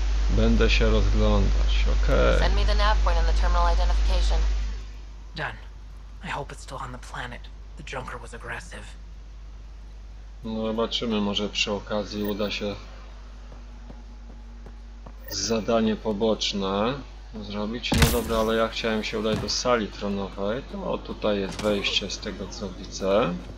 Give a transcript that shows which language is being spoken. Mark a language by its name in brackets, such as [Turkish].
[Polish] Będę się rozglądać, okej. [English] Send me the nav point and the terminal identification. Done. I hope it's still on the planet. The junker was aggressive. [Polish] No zobaczymy, może przy okazji uda się zadanie poboczne zrobić. No dobra, ale ja chciałem się udać do sali tronowej. To o, tutaj jest wejście z tego co widzę.